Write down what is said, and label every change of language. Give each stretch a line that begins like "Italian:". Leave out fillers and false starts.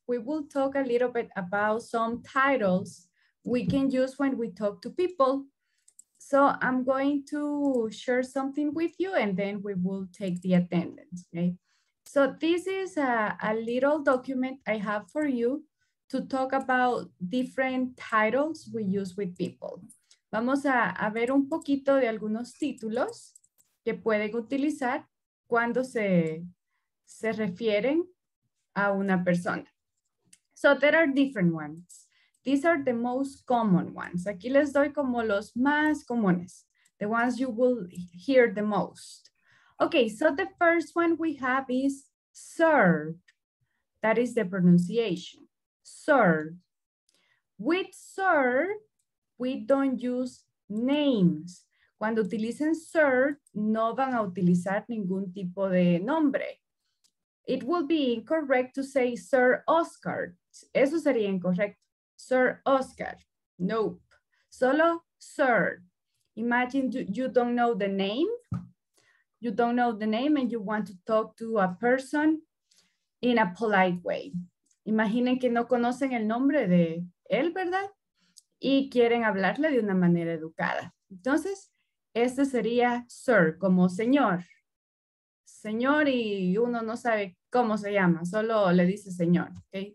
English: We will talk a little bit about some titles we can use when we talk to people. So I'm going to share something with you and then we will take the attendance, okay? So this is a little document I have for you to talk about different titles we use with people.
Spanish: Vamos a ver un poquito de algunos títulos que pueden utilizar cuando se refieren a una persona.
English: So there are different ones. These are the most common ones.
Spanish: Aquí les doy como los más comunes,
English: the ones you will hear the most. Okay, so the first one we have is sir. That is the pronunciation, sir. With sir, we don't use names.
Spanish: Cuando utilicen sir, no van a utilizar ningún tipo de nombre.
English: It will be incorrect to say Sir Oscar.
Spanish: Eso sería incorrecto. Sir Oscar. Nope. Solo sir.
English: Imagine you don't know the name. You don't know the name and you want to talk to a person in a polite way.
Spanish: Imaginen que no conocen el nombre de él, ¿verdad? Y quieren hablarle de una manera educada. Entonces, este sería sir, como señor. Señor y uno no sabe cómo se llama, solo le dice señor, okay?